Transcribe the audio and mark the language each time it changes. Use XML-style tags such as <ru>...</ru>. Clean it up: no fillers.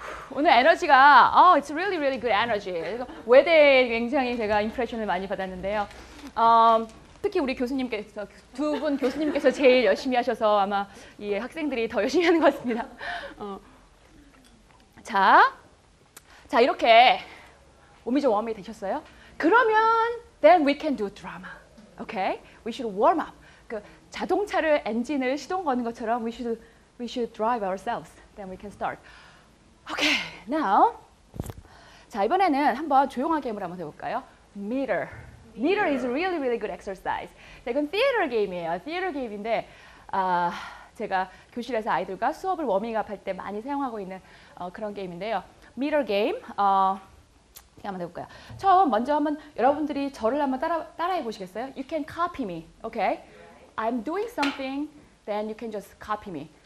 <ko>오늘 에너지가</ko> <en>oh, it's really really good energy.</en> <ko>외대에 굉장히 제가 인프레션을 많이 받았는데요. 특히 우리 교수님께서 두 분 교수님께서 제일 열심히 하셔서 아마 이 학생들이 더 열심히 하는 것 같습니다. 자, 자 이렇게 몸이 좀 웜이 되셨어요?</ko> <en>그러면 then we can do drama. Okay? We should warm up.</en> <ko>그 자동차를 엔진을 시동 거는 것처럼</ko> <en>we should drive ourselves. Then we can start. Okay, now.</en> <ko>자, 이번에는 한번 조용하게 게임을 한번 해볼까요?</ko> <en>Meter. Meter is a really, really good exercise. 자,</en> <ko>이건 theater game이에요. Theater game인데, 제가 교실에서 아이들과 수업을 워밍업 할 때 많이 사용하고 있는 그런 게임인데요. Meter game. 한번 해볼까요? 처음, 먼저 한번 여러분들이 저를 한번 따라해 보시겠어요?</ko> <en>You can copy me. Okay? I'm doing something, then you can just copy me.</en>